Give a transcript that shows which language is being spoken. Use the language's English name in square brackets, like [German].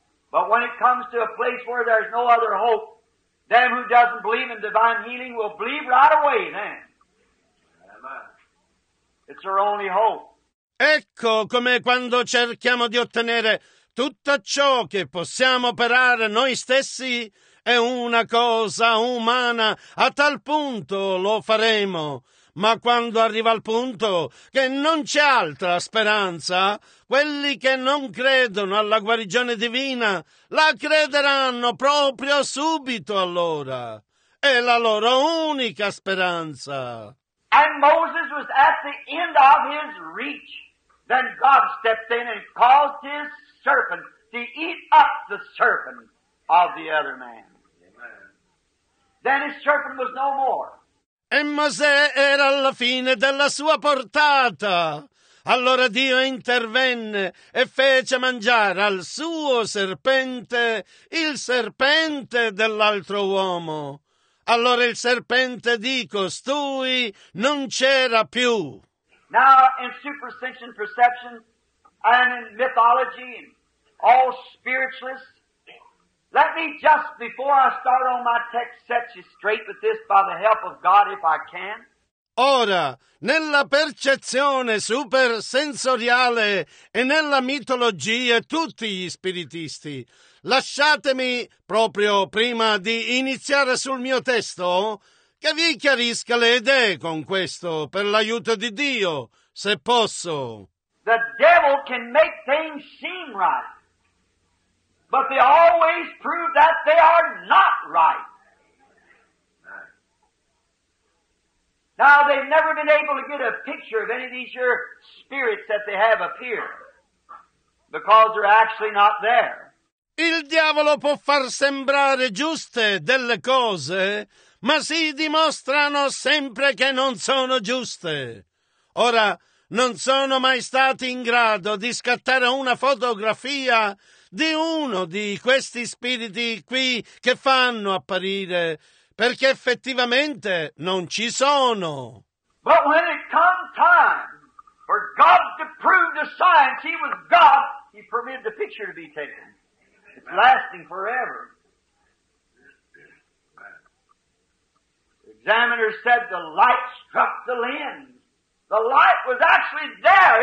[English] But when it comes to a place where there's no other hope, them who doesn't believe in divine healing will believe right away then. It's our only hope. [Italian] Ecco come quando cerchiamo di ottenere tutto ciò che possiamo operare noi stessi è una cosa umana, a tal punto lo faremo. Ma quando arriva al punto che non c'è altra speranza, quelli che non credono alla guarigione divina la crederanno proprio subito allora. È la loro unica speranza. [English] And Moses was at the end of his reach. Then God stepped in and caused his serpent to eat up the serpent of the other man. Amen. Then his serpent was no more. [Italian] E Mosè era alla fine della sua portata. Allora Dio intervenne e fece mangiare al suo serpente il serpente dell'altro uomo. Allora il serpente di costui non c'era più. [English] Now in superstition, perception, and in mythology, and all spiritualists, let me just, before I start on my text, set you straight with this by the help of God if I can. [Italian] Ora, nella percezione supersensoriale e nella mitologia tutti gli spiritisti, lasciatemi, proprio prima di iniziare sul mio testo, che vi chiarisca le idee con questo, per l'aiuto di Dio, se posso. [English] The devil can make things seem right, but they always prove that they are not right. Now, they've never been able to get a picture of any of these here spirits that they have appeared, because they're actually not there. [Italian] Il diavolo può far sembrare giuste delle cose, ma si dimostrano sempre che non sono giuste. Ora, non sono mai stati in grado di scattare una fotografia di uno di questi spiriti qui che fanno apparire, perché effettivamente non ci sono. [English] But when it come time for God to prove the science, he was God, he permitted the picture to be taken. It's lasting forever. The examiner said the light struck the lens. The light was actually there.